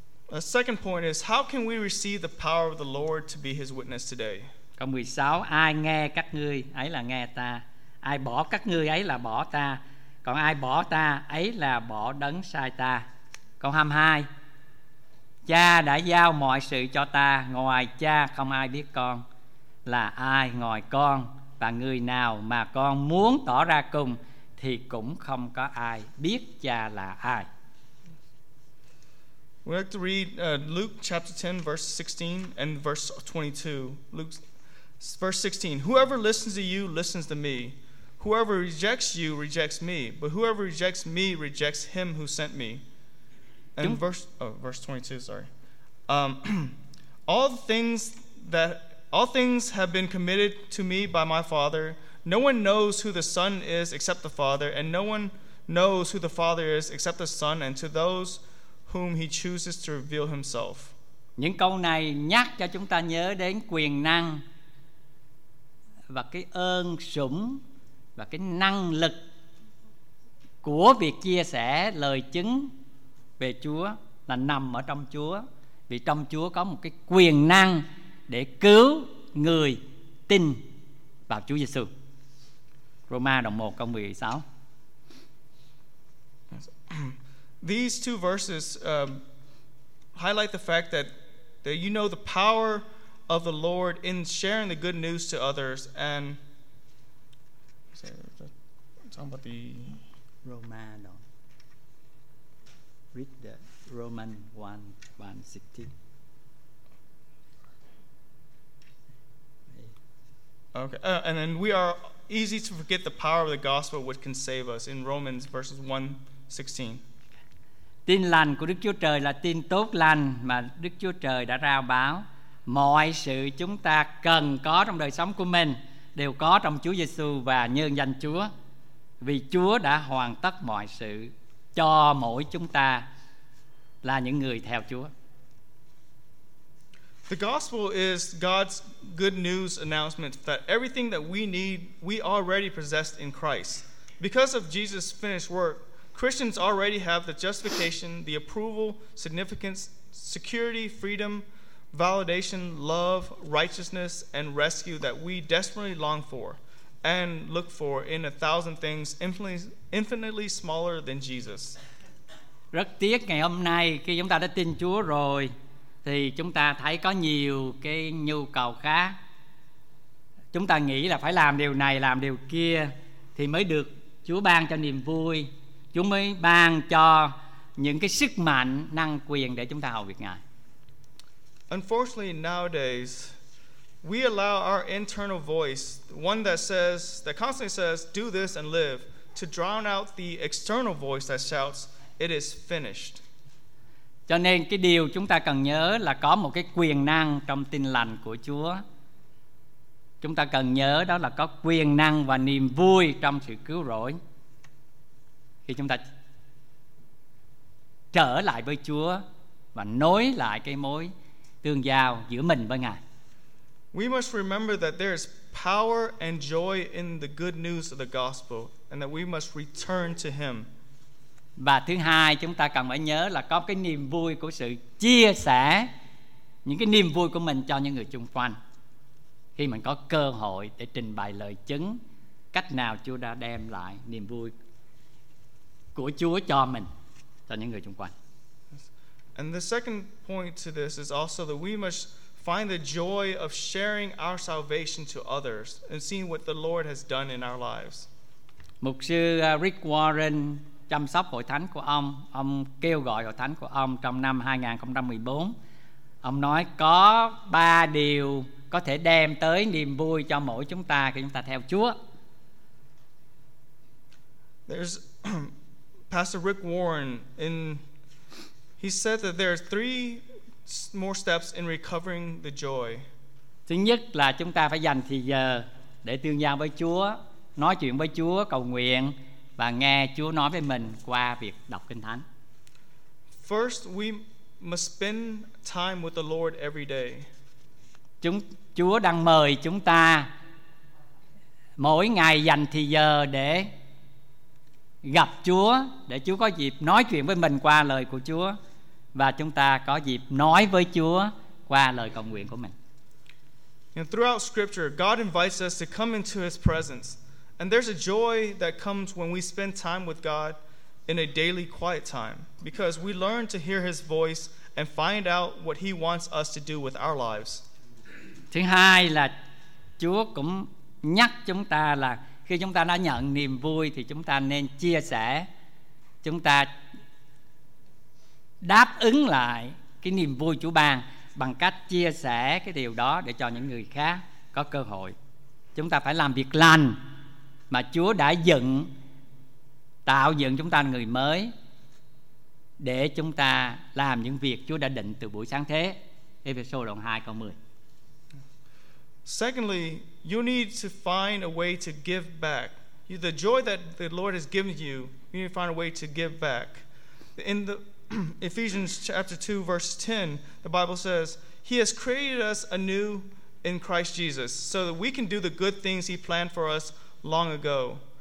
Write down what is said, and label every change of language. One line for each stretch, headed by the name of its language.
English: A second point is, how can we receive the power of the Lord to be his witness today?
Vietnamese: Câu 16, ai nghe các ngươi ấy là nghe ta, ai bỏ các ngươi ấy là bỏ ta, còn ai bỏ ta ấy là bỏ đấng sai ta. Câu 22, cha đã giao mọi sự cho ta, ngoài cha không ai biết con là ai, ngoài con và người nào mà con muốn tỏ ra cùng thì cũng không có ai biết cha là ai.
English: We like to read Luke chapter 10 verse 16 and verse 22. Luke verse 16, whoever listens to you listens to me. Whoever rejects you rejects me, but whoever rejects me rejects him who sent me. And all things have been committed to me by my Father. No one knows who the Son is except the Father, and no one knows who the Father is except the Son and to those whom he chooses to reveal himself.
Vietnamese: Những câu này nhắc cho chúng ta nhớ đến quyền năng và cái ơn sủng và cái năng lực của việc chia sẻ lời chứng về Chúa là nằm ở trong Chúa, vì trong Chúa có một cái quyền năng để cứu người tin vào Chúa Giêsu. Roma đoạn 1 câu 16.
English: These two verses highlight the fact that you know the power of the Lord in sharing the good news to others. And talking about the Roma, no. Read the Roman 1:16. Okay, and then we are easy to forget the power of the gospel which can save us in Romans verses 1:16.
Vietnamese: Tin lành của Đức Chúa Trời là tin tốt lành mà Đức Chúa Trời đã rao báo. Mọi sự chúng ta cần có trong đời sống của mình đều có trong Chúa Giêsu và nhân danh Chúa, vì Chúa đã hoàn tất mọi sự cho mỗi chúng ta là những người theo Chúa.
English: The gospel is God's good news announcement that everything that we need we already possessed in Christ. Because of Jesus' finished work, Christians already have the justification, the approval, significance, security, freedom, validation, love, righteousness, and rescue that we desperately long for and look for in a thousand things infinitely smaller than Jesus.
Vietnamese: Rất tiếc ngày hôm nay khi chúng ta đã tin Chúa rồi thì chúng ta thấy có nhiều cái nhu cầu khác. Chúng ta nghĩ là phải làm điều này, làm điều kia thì mới được Chúa ban cho niềm vui, Chúa mới ban cho những cái sức mạnh, năng quyền để chúng ta hầu việc Ngài.
English: Unfortunately, nowadays, we allow our internal voice, one that says, that constantly says, do this and live, to drown out the external voice that shouts, it is finished.
Vietnamese: Cho nên cái điều chúng ta cần nhớ là có một cái quyền năng trong tin lành của Chúa. Chúng ta cần nhớ đó là có quyền năng và niềm vui trong sự cứu rỗi. Khi chúng ta trở lại với Chúa và nối lại cái mối tương giao giữa mình với Ngài.
English: We must remember that there is power and joy in the good news of the gospel and that we must return to him.
Vietnamese: Và thứ hai, chúng ta cần phải nhớ là có cái niềm vui của sự chia sẻ những cái niềm vui của mình cho những người chung quanh khi mình có cơ hội để trình bày lời chứng cách nào Chúa đã đem lại niềm vui của Chúa cho mình, cho những người chung quanh.
English: And the second point to this is also that we must find the joy of sharing our salvation to others and seeing what the Lord has done in our lives.
Vietnamese: Mục sư Rick Warren chăm sóc hội thánh của ông. Ông kêu gọi hội thánh của ông trong năm 2014. Ông nói có ba điều có thể đem tới niềm vui cho mỗi chúng ta khi chúng ta theo Chúa.
English: There's Pastor Rick Warren in. He said that there are three more steps in recovering the joy.
Vietnamese: Thứ nhất là chúng ta phải dành thời giờ để tương giao với Chúa, nói chuyện với Chúa, cầu nguyện và nghe Chúa nói với mình qua việc đọc Kinh Thánh.
English: First, we must spend time with the Lord every day.
Vietnamese: Chúa đang mời chúng ta mỗi ngày dành thời giờ để gặp Chúa, để Chúa có dịp nói chuyện với mình qua lời của Chúa và chúng ta có dịp nói với Chúa qua lời cầu nguyện của mình.
English: And throughout scripture, God invites us to come into his presence. And there's a joy that comes when we spend time with God in a daily quiet time because we learn to hear his voice and find out what he wants us to do with our lives.
Vietnamese: Thứ hai là Chúa cũng nhắc chúng ta là khi chúng ta đã nhận niềm vui thì chúng ta nên chia sẻ, chúng ta đáp ứng lại cái niềm vui Chúa ban bằng cách chia sẻ cái điều đó để cho những người khác có cơ hội. Chúng ta phải làm việc lành mà Chúa đã dựng, tạo dựng chúng ta người mới để chúng ta làm những việc Chúa đã định từ buổi sáng thế. Ephesians đoạn 2 câu 10.
English: Secondly, you need to find a way to give back. The joy that the Lord has given you, you need to find a way to give back. In the Ephesians chapter 2 verse 10, the Bible says, "He has created us anew in Christ Jesus so that we can do the good things he planned for us long ago.